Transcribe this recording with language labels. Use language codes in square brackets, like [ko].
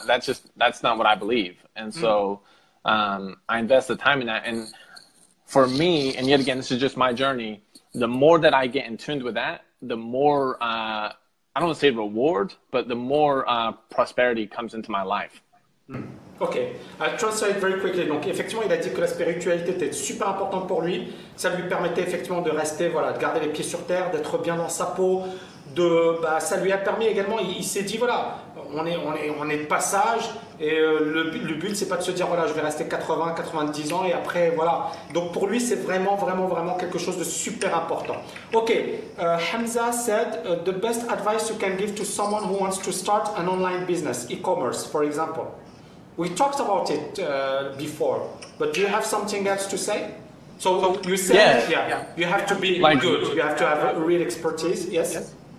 [en] That's not what I believe. And so, I invest the time in that. And for me, and yet again, this is just my journey. The more that I get in tune with that, the more, I don't want to say reward, but the more prosperity comes into my life. Ok, I'll translate very quickly. [fr] Donc effectivement, il a dit que la spiritualité était super importante pour lui. Ça lui permettait effectivement de rester, voilà, de garder les pieds sur terre, d'être bien dans sa peau. De, bah, ça lui a permis également, il s'est dit, voilà, on est de passage. Et le but, c'est pas de se dire, voilà, je vais rester 80, 90 ans et après, voilà. Donc pour lui, c'est vraiment, vraiment, vraiment quelque chose de super important. [en] Ok, Hamza said, the best advice you can give to someone who wants to start an online business, e-commerce, for example. We talked about it before, but do you have something else to say? So you said, you have to be like, good. You have to have a real expertise, yes?